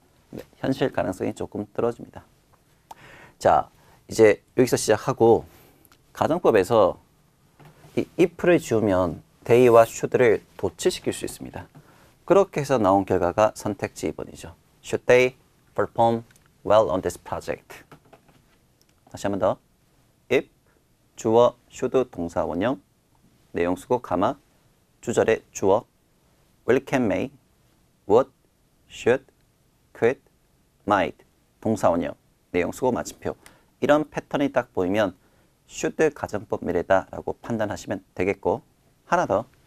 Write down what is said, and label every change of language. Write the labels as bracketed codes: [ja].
[ko] 네, 현실 가능성이 조금 떨어집니다. 자, 이제 여기서 시작하고 가정법에서 이 if를 지우면 they와 should를 도치시킬 수 있습니다. 그렇게 해서 나온 결과가 선택지 2번이죠. [en] Should they perform well on this project? [ko] 다시 한번 더. If 주어 should 동사 원형 내용 쓰고 가마 주절에 주어 will can may would should could might 동사 원형 내용 쓰고 마침표 이런 패턴이 딱 보이면 should 가정법 미래다라고 판단하시면 되겠고 하나 더.